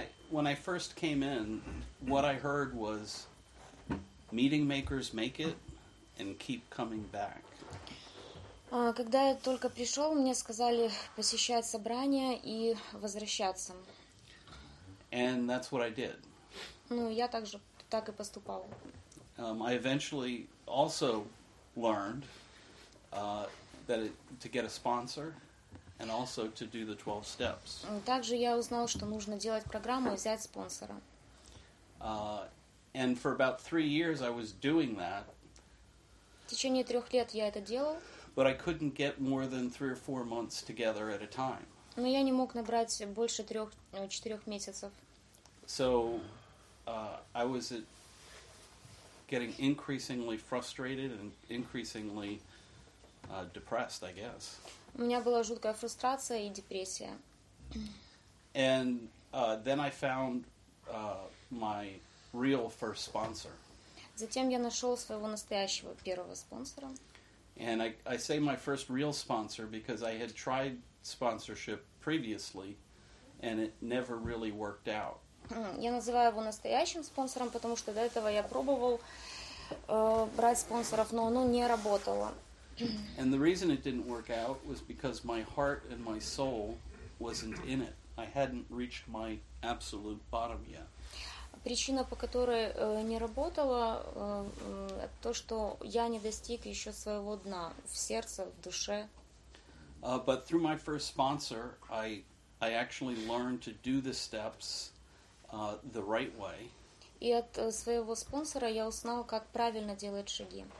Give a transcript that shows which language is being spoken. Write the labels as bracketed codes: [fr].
[en] When I first came in, what I heard was meeting makers make it and keep coming back. [ru] Когда я только пришел, мне сказали посещать собрания и возвращаться. [en] And that's what I did. [ru] Я также так и поступал. [en] I eventually also learned to get a sponsor and also to do the 12 steps. [ru] Также я узнал, что нужно делать программу и взять спонсора. [en] And for about 3 years I was doing that. [ru] течение 3 лет я это делал. [en] But I couldn't get more than 3 or 4 months together at a time. [ru] Но я не мог набрать больше 3-4 месяцев. [en] So I was getting increasingly frustrated and increasingly depressed, I guess. [ru] У меня была жуткая фрустрация и депрессия. [en] And then I found my real first sponsor. [ru] Затем я нашел своего настоящего первого спонсора. [en] And I say my first real sponsor because I had tried sponsorship previously, and it never really worked out. [ru] Я называю его настоящим спонсором, потому что до этого я пробовал брать спонсоров, но оно не работало. [en] And the reason it didn't work out was because my heart and my soul wasn't in it. I hadn't reached my absolute bottom yet. [ru] Причина, по которой не работала, то, что я не достиг еще своего дна в сердце, в душе. [en] But through my first sponsor, I actually learned to do the steps the right way. [ru] И от своего спонсора я узнала, как правильно делать шаги.